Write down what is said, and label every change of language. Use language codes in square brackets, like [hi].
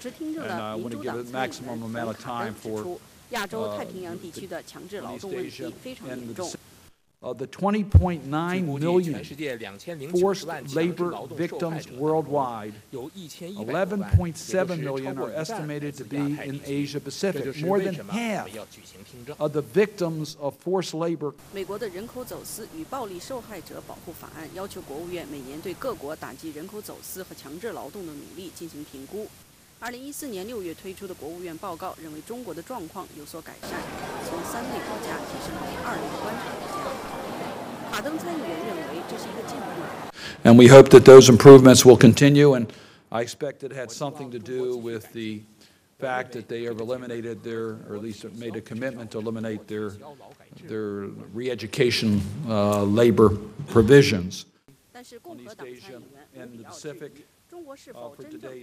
[en] And I want to give a maximum amount of time for the 20.9 million forced labor victims worldwide, 11.7 million are estimated to be in Asia Pacific. More than half of the victims of forced labor. [zh] 美国的人口走私与暴力受害者保护法案要求国务院每年对各国打击人口走私和强制劳动的努力进行评估。 2014年6月推出的国务院报告认为中国的状况有所改善，从三类国家提升为二类观察国家。卡登参议员认为这是一个进步。 [en] And we hope that those improvements will continue. And I expect it had something to do with the fact that they have eliminated their, or at least made a commitment to eliminate their re-education labor provisions. [zh] 但是共和党参议员吴比奥举。